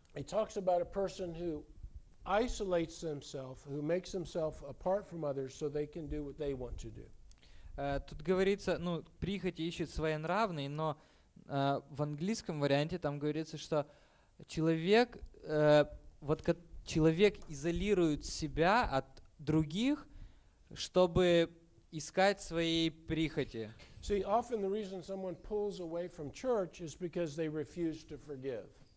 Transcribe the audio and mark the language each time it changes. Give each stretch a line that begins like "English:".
English: It talks about a person who isolates themselves, who makes himself apart from others so they can do what they want to do.
Russian: Тут говорится, прихоти ищет своенравный, но в английском варианте там говорится, что человек изолирует себя от других, чтобы искать своей прихоти.
English: See, often the reason someone pulls away from church is because they refuse to forgive.